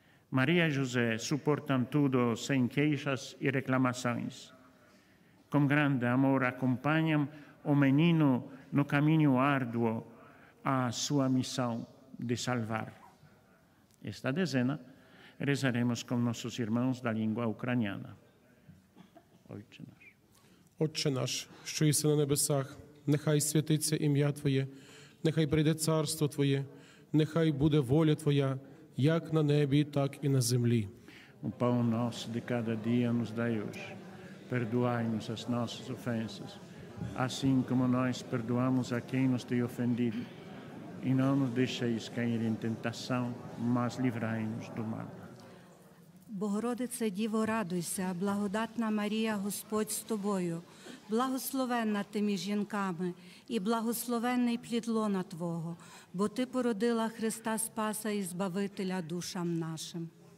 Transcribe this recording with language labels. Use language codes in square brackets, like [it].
[pt] Maria e José suportam tudo sem queixas e reclamações. Com grande amor acompanham o menino no caminho árduo à sua missão de salvar. Esta dezena rezaremos com nossos irmãos da língua ucraniana. [uk] Отче наш, що єси на небесах, нехай святиться ім'я Твоє, нехай прийде царство Твоє, нехай буде воля Твоя, як на небі, так і на землі. [pt] У пан нас де cada dia nos dai hoje. Perdoai-nos as nossas ofensas, assim como nós perdoamos a quem nos tem ofendido. E não nos deixeis cair em tentação, mas livrai-nos do mal. [uk] Богородице, Діво, радуйся, благодатна Марія, Господь з тобою. Благословенна ти між жінками, і благословенний плід лона Твого, бо ти породила Христа Спаса і Збавителя душам нашим.